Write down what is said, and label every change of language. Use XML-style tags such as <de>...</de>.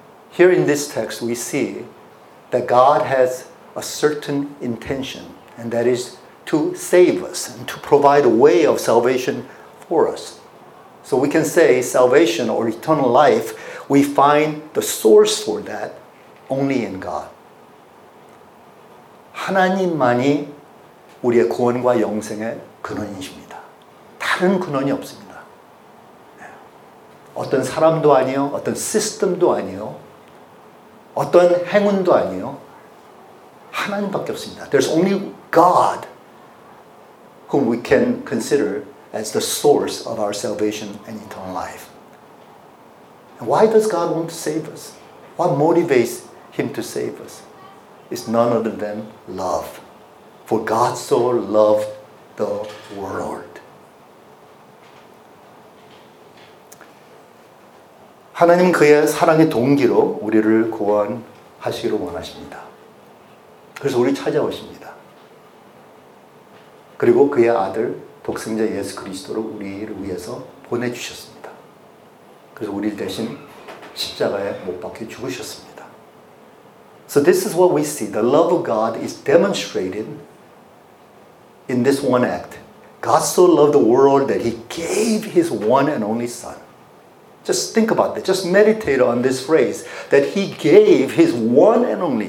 <en>Here in this text, we see that God has a certain intention, and that is to save us and to provide a way of salvation for us. So we can say salvation or eternal life, we find the source for that only in God.</en> <ko>하나님만이 우리의 구원과 영생의 근원이십니다. 다른 근원이 없습니다. 어떤 사람도 아니요, 어떤 시스템도 아니요, 어떤 행운도 아니요, 하나님밖에 없습니다.</ko> <en>There's only God whom we can consider as the source of our salvation and eternal life. And why does God want to save us? What motivates him to save us? It's none other than love. For God so loved the world.</en> <ko>하나님 그의 사랑의 동기로 우리를 구원하시기를 원하십니다. 그래서 우리 찾아오십니다. 그리고 그의 아들 독생자 예수 그리스도를 우리를 위해서 보내주셨습니다. 그래서 우리를 대신 십자가에 못 박혀 죽으셨습니다.</ko> <en>So this is what we see. The love of God is demonstrated in this one act. God so loved the world that he gave his one and only Son. Just think about that. Just meditate on this phrase. That he gave his one and only.</en>